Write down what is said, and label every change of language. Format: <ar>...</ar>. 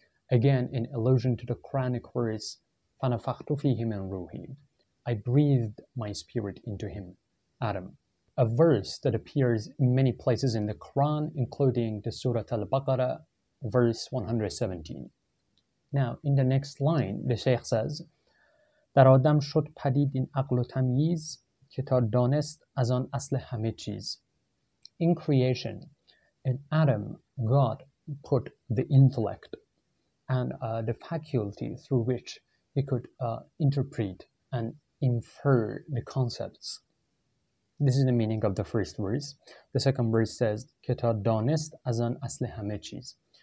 <en>Again, in allusion to the Quranic verse,</en> <ar>فَنَفَخْتُ فِيهِ مِنْ رُوحِي,</ar> <en>I breathed my spirit into him, Adam. A verse that appears in many places in the Quran, including the Surah Al-Baqarah, verse 117. Now, in the next line, the Shaykh says,</en> <fa>در آدم شد پدید این عقل و تمیز که تا دانست از آن اصل همه چیز.</fa> <en>In creation, in Adam, God put the intellect and the faculty through which he could interpret and infer the concepts. This is the meaning of the first verse. The second verse says,</en> <fa>Keta donest azan asle hamechiz.</fa>